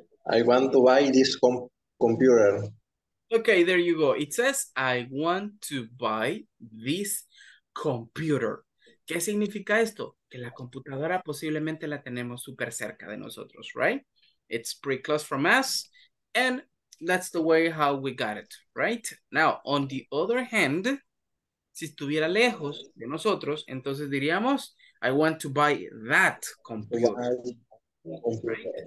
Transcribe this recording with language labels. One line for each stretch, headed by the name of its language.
English: I want to buy this computer. Okay, there you go. It says, I want to buy this computer.
Spanish: ¿Qué significa esto? Que la computadora posiblemente la tenemos súper cerca de nosotros, right?
English: It's pretty close from us, and that's the way how we got it, right? Now, on the other hand,
Spanish: si estuviera lejos de nosotros, entonces diríamos,
English: I want to buy that computer. Right?